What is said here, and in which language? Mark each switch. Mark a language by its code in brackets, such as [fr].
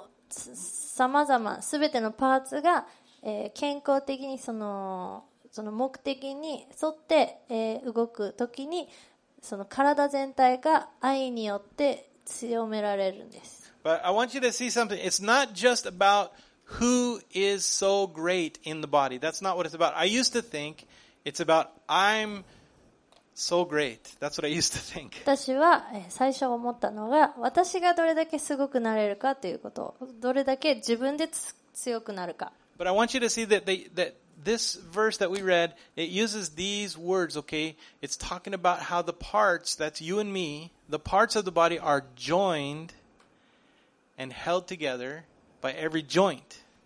[ja] さまざま、すべてのパーツが、健康的にその目的に沿って動くときに、その体全体が愛によって強められるんです。 [en] But I want you to see something. It's not just about who is so great in the body. That's not what it's about. I used to think it's about I'm so great. That's what I used to think. [ja] 私は最初思ったのが、私がどれだけすごくなれるかということ、どれだけ自分で強くなるか。 [en] But I want you to see that This verse that we read, it uses these words, okay? It's talking about how the parts, that's you and me, the parts of the body are joined and held together by every joint.